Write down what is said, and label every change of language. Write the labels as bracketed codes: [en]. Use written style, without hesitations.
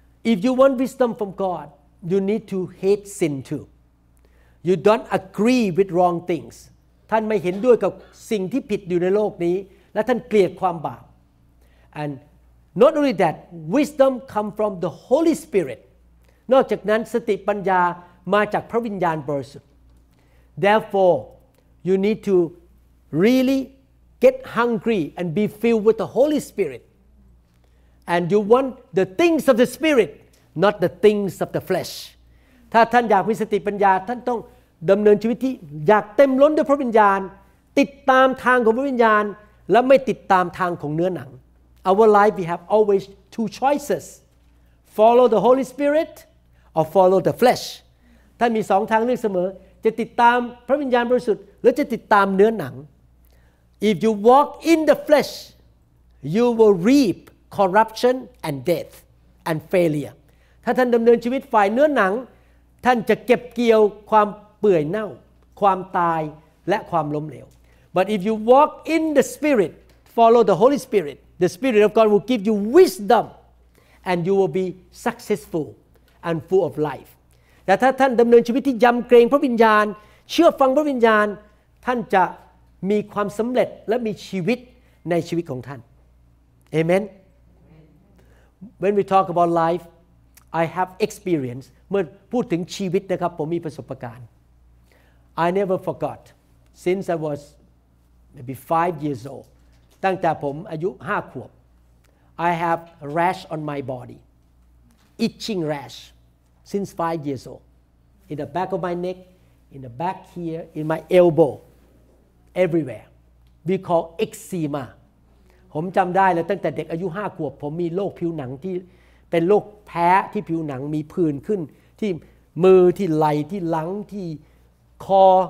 [en] if you want wisdom from God you need to hate sin too You don't agree with wrong things [th] ท่านไม่เห็นด้วยกับสิ่งที่ผิดอยู่ในโลกนี้และท่านเกลียดความบาป [en] andNot only that, wisdom come from the Holy Spirit. [th] นอกจากนั้นสติปัญญามาจากพระวิญญาณบริสุทธิ์ [en] Therefore, you need to really get hungry and be filled with the Holy Spirit. And you want the things of the Spirit, not the things of the flesh. [th] ถ้าท่านอยากมีสติปัญญาท่านต้องดำเนินชีวิตที่อยากเต็มล้นด้วยพระวิญญาณติดตามทางของพระวิญญาณและไม่ติดตามทางของเนื้อหนัง [en] Our life, we have always two choices: follow the Holy Spirit or follow the flesh. [th] ท่านมีสองทางเลือกเสมอจะติดตามพระวิญญาณบริสุทธิ์หรือจะติดตามเนื้อหนัง [en] If you walk in the flesh, you will reap corruption and death and failure. [th] ถ้าท่านดำเนินชีวิตฝ่ายเนื้อหนังท่านจะเก็บเกี่ยวความเปื่อยเน่าความตายและความล้มเหลว [en] But if you walk in the Spirit, follow the Holy Spirit. The Spirit of God will give you wisdom and you will be successful and full of life. [th] แต่ถ้าท่านดำเนินชีวิตที่ยำเกรงพระวิญญาณเชื่อฟังพระวิญญาณท่านจะมีความสำเร็จและมีชีวิตในชีวิตของท่าน Amen. [en] When we talk about life, I have experience. [th] เมื่อพูดถึงชีวิตนะครับผมมีประสบการณ์ [en] I never forgot since I was maybe 5 years old. [th] ตั้งแต่ผมอายุ5ขวบ [en] I have rash on my body itching rash since 5 years old in the back of my neck in the back here in my elbow everywhere we call eczema [th] ผมจำได้เลยตั้งแต่เด็กอายุ5ขวบผมมีโรคผิวหนังที่เป็นโรคแพ้ที่ผิวหนังมีผื่นขึ้นที่มือที่ไหล่ที่หลังที่คอ